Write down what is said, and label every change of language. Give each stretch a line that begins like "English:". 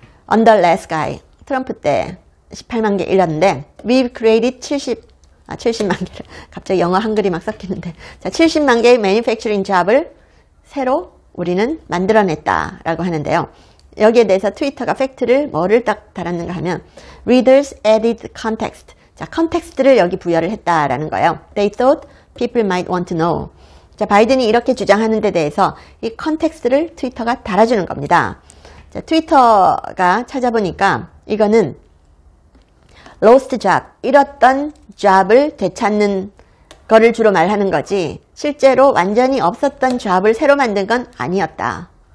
English: Under last guy,
Korean: 트럼프 때 18만 개 잃었는데
English: We've created
Korean: 70만 개를, 갑자기 영어 한글이 막 섞이는데 자, 70만 개의 manufacturing job을 새로 우리는 만들어냈다라고 하는데요. 여기에 대해서 트위터가 팩트를 뭐를 딱 달았는가 하면
English: Readers added context.
Korean: 자, 컨텍스트를 여기 부여를 했다라는 거예요.
English: They thought people might want to know.
Korean: 자, 바이든이 이렇게 주장하는 데 대해서 이 컨텍스트를 트위터가 달아주는 겁니다. 자, 트위터가 찾아보니까 이거는 lost job, 잃었던 job을 되찾는 거를 주로 말하는 거지 실제로 완전히 없었던 job을 새로 만든 건 아니었다.